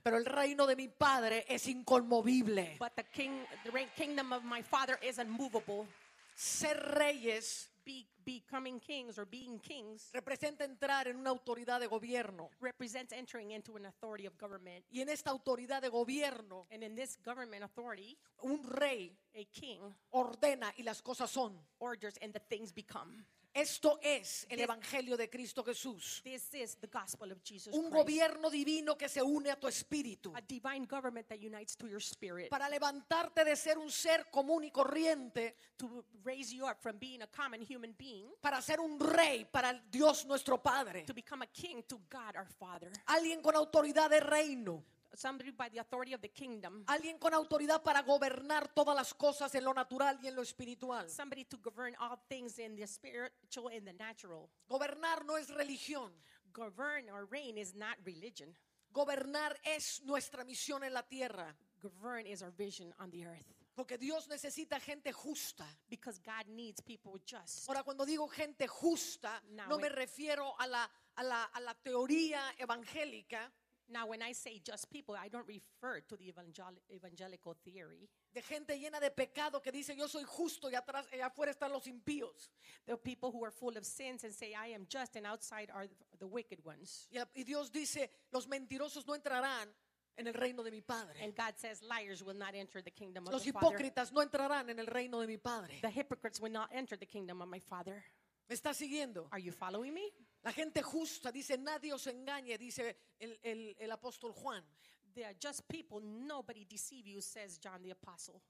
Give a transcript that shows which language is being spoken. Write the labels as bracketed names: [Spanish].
[Spanish] Pero el reino de mi Padre es inconmovible. [English] But the kingdom of my Father is unmovable. [Spanish] Ser reyes, [English] becoming kings or being kings, [Spanish] representa entrar en una autoridad de gobierno, [English] represents entering into an authority of government, [Spanish] y en esta autoridad de gobierno, [English] and in this government authority, [Spanish] un rey, [English] a king, [Spanish] ordena y las cosas son, [English] orders and the things become. [Spanish] Esto es el Evangelio de Cristo Jesús. [English] This is the gospel of Jesus [Spanish] Un [English] Christ. [Spanish] Gobierno divino que se une a tu espíritu. [English] A divine government that unites to your spirit. [Spanish] Para levantarte de ser un ser común y corriente. [English] To raise you up from being a common human being. [Spanish] Para ser un rey para Dios nuestro Padre. [English] To become a king to God our Father. [Spanish] Alguien con autoridad de reino. [English] Somebody by the authority of the kingdom. [Spanish] Alguien con autoridad para gobernar todas las cosas en lo natural y en lo espiritual. [English] Somebody to govern all things in the spiritual and the natural. [Spanish] Gobernar no es religión. [English] Govern or reign is not religion. [Spanish] Gobernar es nuestra misión en la tierra. [English] Govern is our vision on the earth. [Spanish] Porque Dios necesita gente justa. [English] Because God needs people just. [Spanish] Ahora cuando digo gente justa, now, no me refiero a la teoría evangélica. [English] Now, when I say just people, I don't refer to the evangelical theory. [Spanish] De gente llena de pecado que dice yo soy justo y atrás y afuera están los impíos. [English] The people who are full of sins and say I am just and outside are the wicked ones. [Spanish] Y Dios dice los mentirosos no entrarán en el reino de mi Padre. [English] And God says liars will not enter the kingdom of [Spanish] los [English] the [Spanish] hypocritas [English] Father. [Spanish] No entrarán en el reino de mi Padre. [English] The hypocrites will not enter the kingdom of my Father. [Spanish] ¿Me está siguiendo? [English] Are you following me? [Spanish] La gente justa dice nadie os engañe, dice el apóstol Juan. [English] They are just people, nobody deceive you, says John the Apostle.